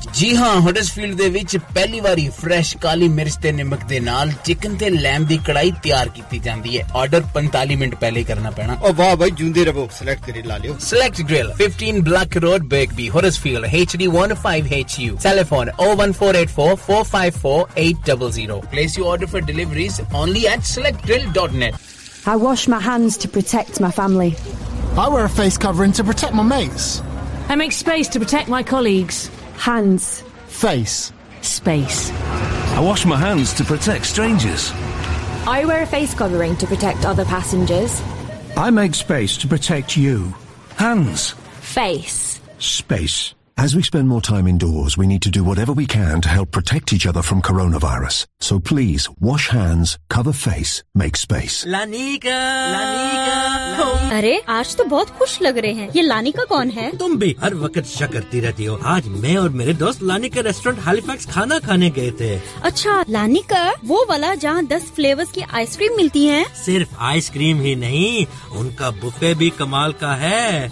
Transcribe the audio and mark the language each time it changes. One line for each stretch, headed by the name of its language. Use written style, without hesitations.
Punjabi: ਜੀ ਹਾਂ ਹਡਸਫੀਲਡ ਦੇ ਵਿੱਚ ਪਹਿਲੀ ਵਾਰੀ ਫਰੈਸ਼ ਕਾਲੀ ਮਿਰਚ ਤੇ ਨਿਮਕ ਦੇ ਨਾਲ ਚਿਕਨ ਤੇ ਲੈਂਬ ਦੀ ਕੜਾਈ ਤਿਆਰ ਕੀਤੀ ਜਾਂਦੀ ਹੈ ਆਰਡਰ 45 ਮਿੰਟ ਪਹਿਲੇ ਕਰਨਾ ਪੈਣਾ ਓ ਵਾਹ ਬਾਈ ਜੁੰਦੇ ਰਵੋ ਸਲੈਕਟ ਗ੍ਰਿਲ ਲਾ ਲਿਓ
English: Select Grill 15 Black Road Birkby Huddersfield HD15HU telephone 01484454800 place you order for deliveries only at selectgrill.net I wash my hands to protect my family. I wear a face covering to protect my mates. I make space to protect my colleagues. Hands. Face. Space. I wash my hands to protect strangers. I wear a face covering to protect other passengers. I make space to protect you. Hands. Face. Space. As we spend more time indoors, we need to do whatever we can to help protect each other from coronavirus. So please, wash hands, cover face, make space. Lanika! Lanika!
Hindi: अरे, आज तो बहुत खुश लग रहे हैं. ये Lanika कौन है? तुम भी हर वक्त शक करती रहती हो. आज मैं और मेरे दोस्त लानिका रेस्टोरेंट हैलिफैक्स खाना खाने गए थे. अच्छा, लानिका? वो वाला जहां 10 फ्लेवर्स की आइसक्रीम मिलती हैं? सिर्फ आइसक्रीम ही नहीं, उनका बुफे भी कमाल का है.